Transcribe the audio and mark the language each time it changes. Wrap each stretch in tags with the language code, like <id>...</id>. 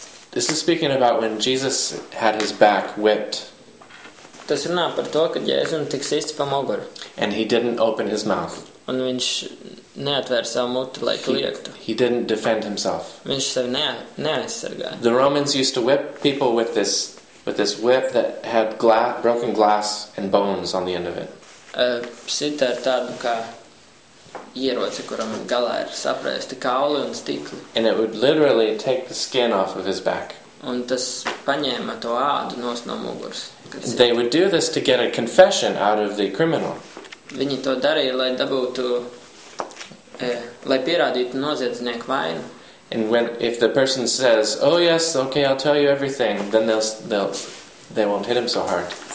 <en>This is speaking about when Jesus had his back whipped.</en> <lv>Tas runā par to, ka Jēzum tiks īsti pa muguru.</lv> <en>And he didn't open his mouth.</en> <lv>Un viņš neatvēra savu muti, lai kliegtu.</lv> <en>He didn't defend himself.</en> <lv>Viņš sevi neaizsargāja.</lv> <en>The Romans used to whip people with this whip that had broken glass and bones on the end of it.</en> <lv>Sita ir tādu kā ieroci, kuram galā ir saprēsti kauli un stikli.</lv> <en>And it would literally take the skin off of his back.</en> <lv>Un tas paņēma to ādu nos no muguras.</lv> <en>They would do this to get a confession out of the criminal.</en> <lv>Viņi to darīja, lai dabūtu, lai pierādītu noziedznieku vainu.</lv> <en>And when, if the person says, oh yes, okay, I'll tell you everything, then they won't hit him so hard.</en>